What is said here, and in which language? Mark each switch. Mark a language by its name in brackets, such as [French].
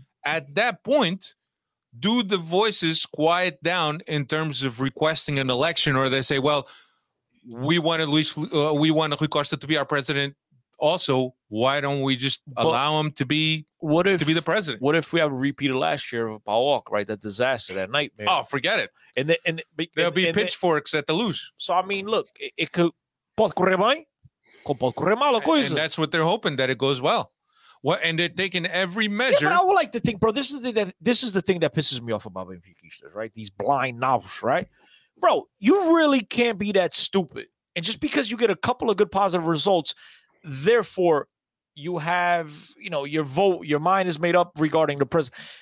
[English] At that point, do the voices quiet down in terms of requesting an election, or they say, well, we want Rui Costa to be our president also, why don't we just allow him to be the president? What if we have a repeat of last year of PAOK, right? That disaster, that nightmare. Oh, forget it. There'll be pitchforks at the loose. So, I mean, look, it could [Portuguese] pode correr bem, como pode correr mal a coisa. [English] And that's what they're hoping, that it goes well. What, and they're taking every measure. Yeah, but I would like to think, bro, this is the thing that pisses me off about Benfica, right? These blind novels, right? Bro, you really can't be that stupid. And just because you get a couple of good positive results, therefore, you have, you know, your vote, your mind is made up regarding the president.